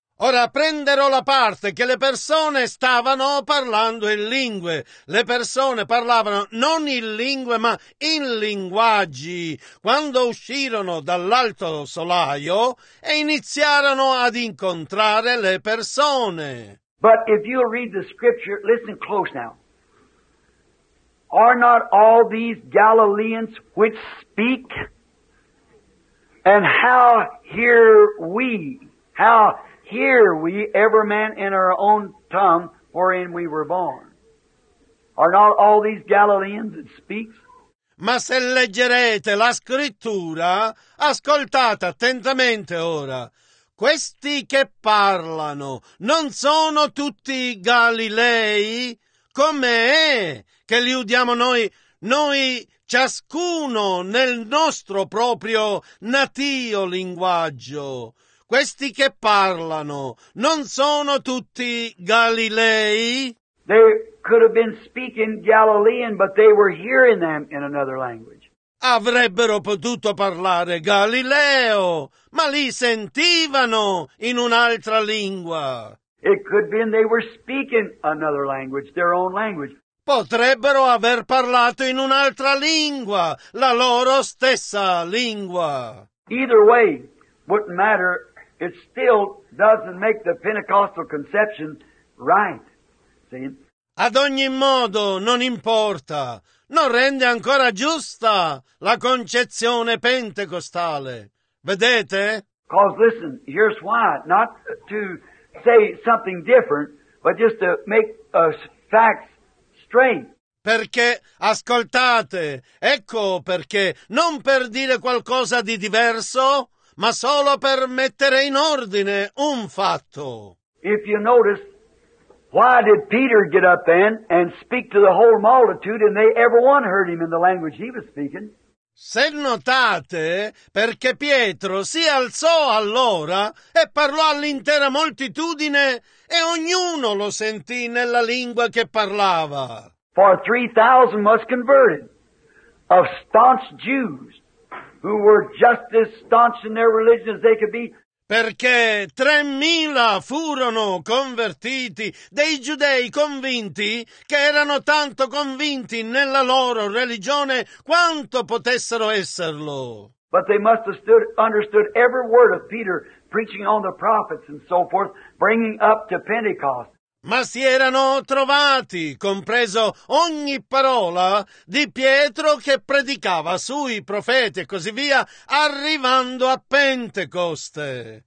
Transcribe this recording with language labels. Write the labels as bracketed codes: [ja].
[it] Ora prenderò la parte che le persone stavano parlando in lingue. Le persone parlavano non in lingue, ma in linguaggi, quando uscirono dall'alto solaio e iniziarono ad incontrare le persone. [en] But if you read the scripture, listen close now. Are not all these Galileans which speak? And how hear we? How hear we every man in our own tongue wherein we were born? Are not all these Galileans that speak? [it] Ma se leggerete la scrittura, ascoltate attentamente ora. Questi che parlano non sono tutti Galilei? Com'è che li udiamo noi ciascuno nel nostro proprio natio linguaggio? Questi che parlano non sono tutti Galilei? [en] They could have been speaking Galilean, but they were hearing them in another language. [it] Avrebbero potuto parlare Galileo, ma li sentivano in un'altra lingua. [en] It could have been they were speaking another language, their own language. [it] Potrebbero aver parlato in un'altra lingua, la loro stessa lingua. [en] Either way, wouldn't matter. It still doesn't make the Pentecostal conception right. See? [it] Ad ogni modo, non importa. Non rende ancora giusta la concezione pentecostale. Vedete? [en] Because listen, here's why. Not to say something different, but just to make facts strength. [it] Perché, ascoltate, ecco perché, non per dire qualcosa di diverso, ma solo per mettere in ordine un fatto. [en] If you notice, why did Peter get up then and speak to the whole multitude and they everyone heard him in the language he was speaking? [it] Se notate, perché Pietro si alzò allora e parlò all'intera moltitudine e ognuno lo sentì nella lingua che parlava. [en] For 3,000 was converted of staunch Jews who were just as staunch in their religion as they could be. [it] Perché 3,000 furono convertiti dei giudei convinti che erano tanto convinti nella loro religione quanto potessero esserlo. [en] But they must have understood every word of Peter preaching on the prophets and so forth, bringing up to Pentecost. Ma si erano trovati, compreso ogni parola di Pietro che predicava sui profeti e così via, arrivando a Pentecoste.